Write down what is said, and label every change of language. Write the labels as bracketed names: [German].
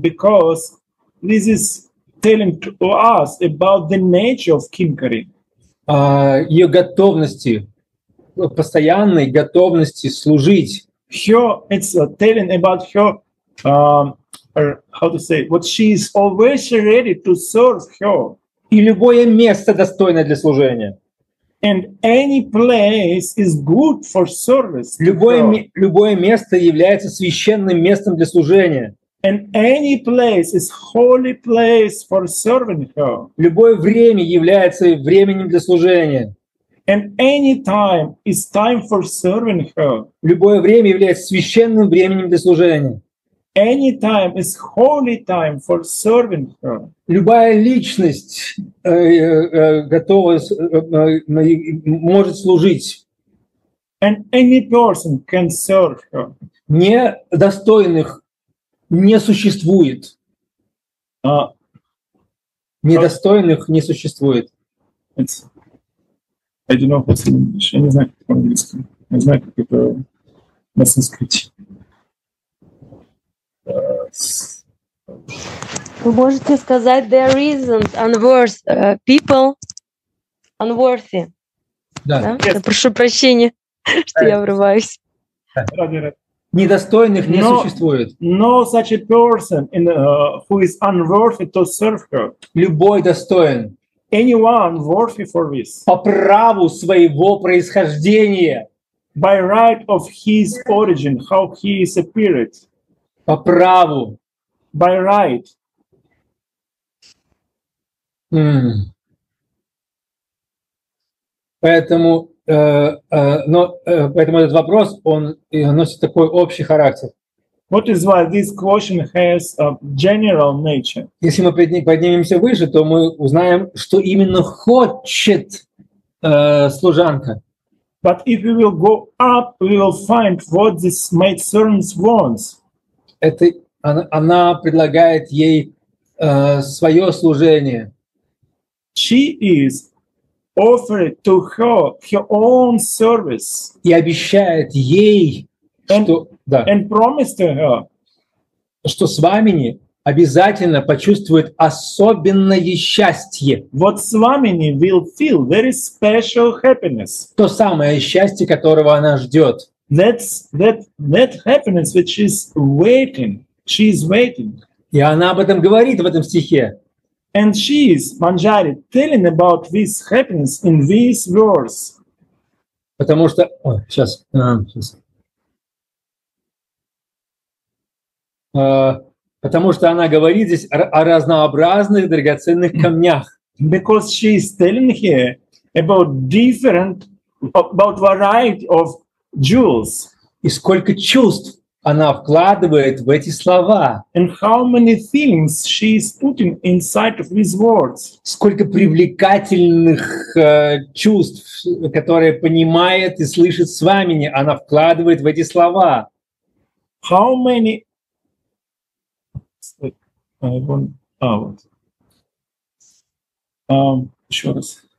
[English] Because this is telling to us about the nature of Kinkari. [Russian] Ее готовности, постоянной готовности служить. [English] Her, it's telling about her. How to say? What she is always ready to serve her. [Russian] И любое место достойное для служения. [English] And any place is good for service. [Russian] Любое место является священным местом для служения. [English] And any place is holy place for serving her. [Russian] Любое время является временем для служения. [English] And any time is time for serving her. [Russian] Любое время является священным временем для служения. [English] Any time is holy time for serving her. [Russian] Любая личность готова может служить. [English] And any person can serve her. [Russian] Недостойных не существует. Недостойных не существует. [English] I don't know what's in English. [Russian] Я не знаю, как это по-английски. Я не знаю, как это на санскрите. Вы можете сказать, [English] there isn't unworthy people, unworthy. [Russian] Да. [English] Yes. [Russian] Прошу прощения, что я врываюсь. Недостойных не существует. [English] No such a person in, who is unworthy to serve her. [Russian] Любой достоин. [English] Anyone worthy for this? [Russian] По праву своего происхождения. [English] By right of his origin, how he is appeared. [Russian] По праву. [English] By right. [Russian] Поэтому, поэтому этот вопрос он носит такой общий характер. [English] What is why this question has a general nature? [Russian] Если мы поднимемся выше, то мы узнаем, что именно хочет служанка. [English] But if we will go up, we will find what this maidservant wants. [Russian] Это она предлагает ей свое служение. [English] She is offered to her her own service. [Russian] И обещает ей, что да. [English] And promise to her, [Russian] что с вами обязательно почувствует особенное счастье. [English] What [Russian] с вами [English] will feel very special happiness. [Russian] То самое счастье, которого она ждет. [English] That happiness which is waiting. She is waiting. [Russian] И она об этом говорит в этом стихе. [English] And she is Manjari telling about this happiness in these words. [Russian] Потому что сейчас. Потому что она говорит здесь о разнообразных драгоценных камнях. [English] Because she is telling here about different, about variety of jewels. [Russian] И сколько чувств она вкладывает в эти слова. [English] And how many things she is putting inside of these words. [Russian] Сколько привлекательных чувств, которые понимает и слышит с вами, она вкладывает в эти слова. [English] How many [Russian] еще раз.